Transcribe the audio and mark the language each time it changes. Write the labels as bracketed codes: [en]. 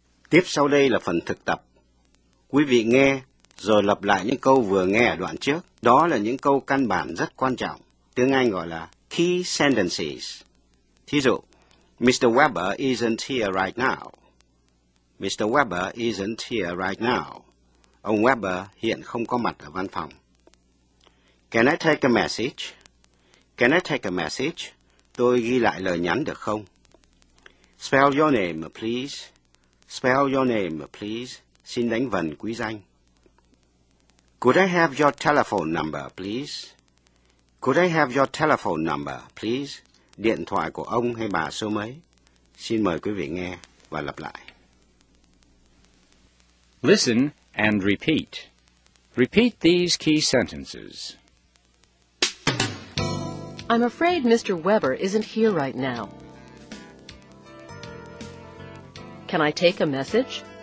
[vi] Tiếp sau đây là phần thực tập. Quý vị nghe, rồi lặp lại những câu vừa nghe ở đoạn trước. Đó là những câu căn bản rất quan trọng. Tiếng Anh gọi là key sentences. Thí dụ, Mr. [en] Weber isn't here right now. Mr. Weber isn't here right now. [vi] Ông Weber hiện không có mặt ở văn phòng. [en] Can I take a message? Can I take a message? [vi] Tôi ghi lại lời nhắn được không? [en] Spell your name, please. Spell your name, please. [vi] Xin đánh vần quý danh. [en] Could I have your telephone number, please? Could I have your telephone number, please? [vi] Điện thoại của ông hay bà số mấy? Xin mời quý vị nghe và lặp lại. [en] Listen and repeat. Repeat these key sentences. I'm afraid Mr. Weber isn't here right now. Can I take a message?